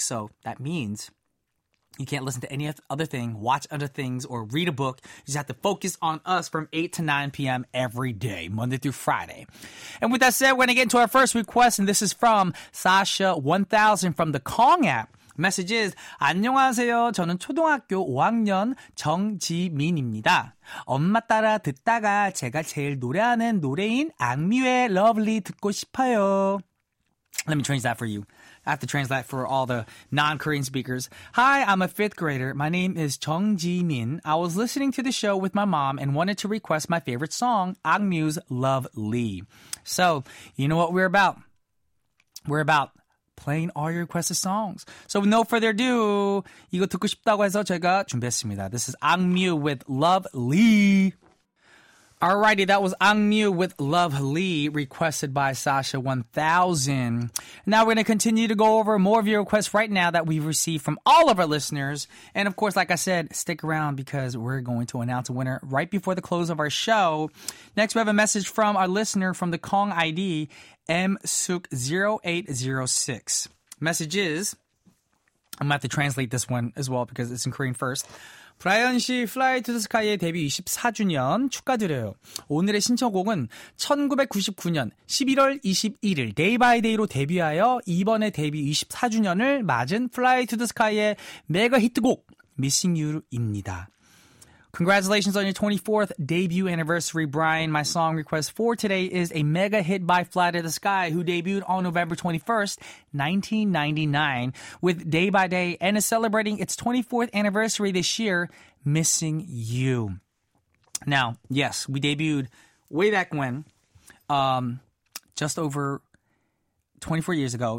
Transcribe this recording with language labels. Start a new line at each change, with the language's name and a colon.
English: So that means you can't listen to any other thing, watch other things, or read a book. You just have to focus on us from 8 to 9 p.m. every day, Monday through Friday. And with that said, we're going to get into our first request, and this is from Sasha1000 from the Kong app. Message is,
Korean: 안녕하세요. 저는 초등학교 5학년 정지민입니다. 엄마 따라 듣다가 제가 제일 노래하는 노래인 악뮤의 Lovely 듣고 싶어요.
English: Let me change that for you. I have to translate for all the non-Korean speakers. Hi, I'm a fifth grader. My name is Jung Ji-min. I was listening to the show with my mom and wanted to request my favorite song, Agnew's Love Lee. So, you know what we're about? We're about playing all your requested songs. So, with no further ado,
Korean: 이거 듣고 싶다고 해서 제가 준비했습니다.
English: This is Agnew with Love Lee. Alrighty, that was Agnew with Love Lee, requested by Sasha1000. Now we're going to continue to go over more of your requests right now that we've received from all of our listeners. And of course, like I said, stick around because we're going to announce a winner right before the close of our show. Next, we have a message from our listener from the Kong ID, MSook0806. Message is, I'm going to have to translate this one as well because it's in Korean first.
Korean: 브라이언 씨 플라이 투 더 스카이의 데뷔 24주년 축하드려요. 오늘의 신청곡은 1999년 11월 21일 데이 바이 데이로 데뷔하여 이번에 데뷔 24주년을 맞은 플라이 투 더 스카이의 메가 히트곡 Missing You입니다.
English: Congratulations on your 24th debut anniversary, Brian. My song request for today is a mega hit by Fly to the Sky, who debuted on November 21st, 1999, with Day by Day, and is celebrating its 24th anniversary this year, Missing You. Now, yes, we debuted way back when, just over 24 years ago.